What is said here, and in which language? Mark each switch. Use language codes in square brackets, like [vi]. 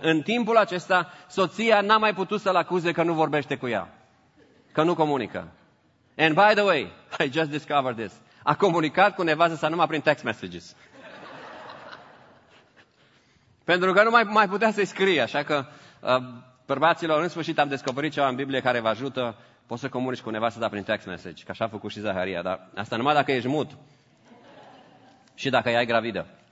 [ro] În timpul acesta, soția n-a mai putut să-l acuze că nu vorbește cu ea. Că nu comunică. [en] And by the way, I just discovered this. [ro] A comunicat cu nevastă sa numai prin text messages. Pentru că nu mai putea să-i scrie. Așa că, bărbaților, în sfârșit am descoperit ceva în Biblie care vă ajută. Poți să comunici cu nevastă ta prin text message. Că așa a făcut și Zaharia. Dar asta numai dacă ești mut. Și dacă ea e gravidă.